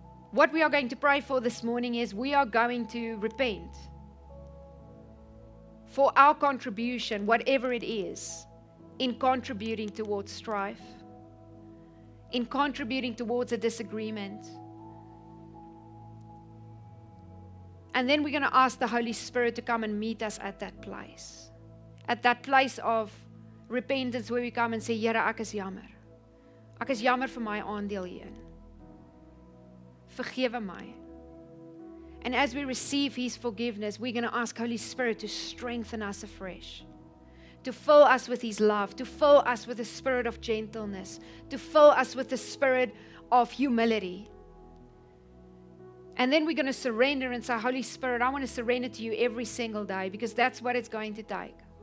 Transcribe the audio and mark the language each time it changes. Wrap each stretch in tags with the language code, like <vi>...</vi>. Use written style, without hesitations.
<en>What we are going to pray for this morning is we are going to repent for our contribution, whatever it is, in contributing towards strife, in contributing towards a disagreement. And then we're going to ask the Holy Spirit to come and meet us at that place. at that place of repentance where we come and say,</en> <af>Here, ek is jammer. Ek is jammer vir my aandeel hierin. Vergewe my.</af> <en>And as we receive His forgiveness, we're going to ask Holy Spirit to strengthen us afresh. To fill us with His love. To fill us with the spirit of gentleness. To fill us with the spirit of humility. And then we're going to surrender and say, Holy Spirit, I want to surrender to You every single day because that's what it's going to take.</en>